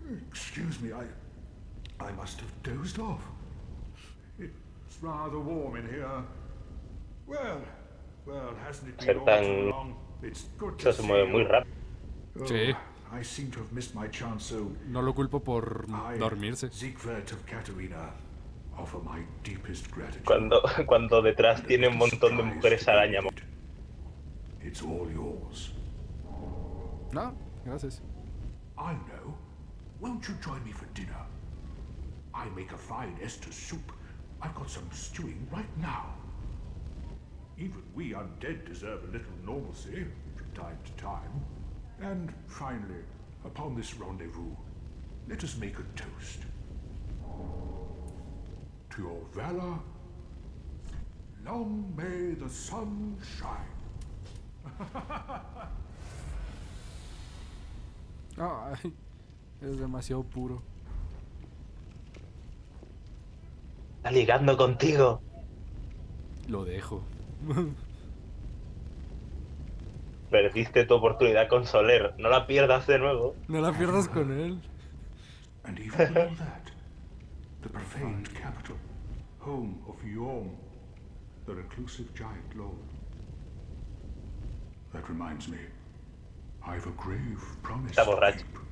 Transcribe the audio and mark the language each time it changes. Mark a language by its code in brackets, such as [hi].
[en] Excuse me, I must have dozed off. It's rather warm in here. Well, hasn't it been all too long? It's good to see you. [es] Se mueve muy rápido. Sí. [en] I seem to have missed my chance, so [es] no lo culpo por dormirse. [en] Siegfried of Katarina, offer my deepest gratitude. [es] Cuando detrás tiene un montón de mujeres araña. [en] It's all yours. [es] No, gracias. [en] I know. Won't you join me for dinner? I make a fine Esther soup. I've got some stewing right now. Even we undead deserve a little normalcy from time to time. And finally, upon this rendezvous, let us make a toast. To your valor, long may the sun shine. [es] Ay, es demasiado puro. Está ligando contigo. Lo dejo. Perdiste tu oportunidad con Soler. No la pierdas de nuevo. No la pierdas con él. [en] And even all that, the profaned capital, home of Yorm, the reclusive giant lord. That reminds me, I have a grave promise. [es] Está borracho.